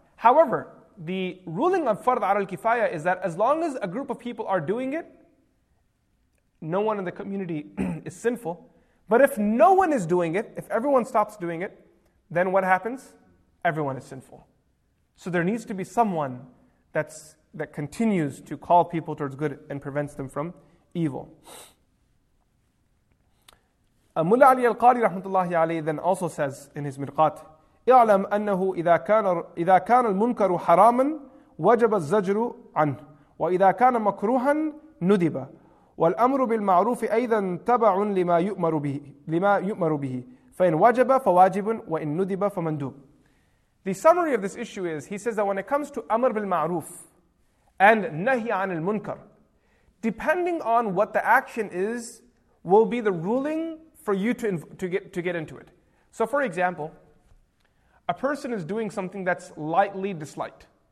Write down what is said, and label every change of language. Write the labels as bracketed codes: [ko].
[en] However, the ruling of fard al-kifaya is that as long as a group of people are doing it, no one in the community is sinful. But if no one is doing it, if everyone stops doing it, then what happens? Everyone is sinful. So there needs to be someone that continues to call people towards good and prevents them from evil. [ar] Mullah Ali Al-Qari rahmatullahi alayhi then also says in his Mirqat, اعلم أنه إذا كان المنكر حراما وجب الزجر عنه وإذا كان مكروها ندب والأمر بالمعروف أيضا تبع لما يؤمر به فإن وجب فواجب وإن ندب فمندوب. [en] The summary of this issue is, he says that when it comes to أمر بالمعروف and نهي عن المنكر, depending on what the action is will be the ruling for you to get into it. So for example, a person is doing something that's lightly disliked.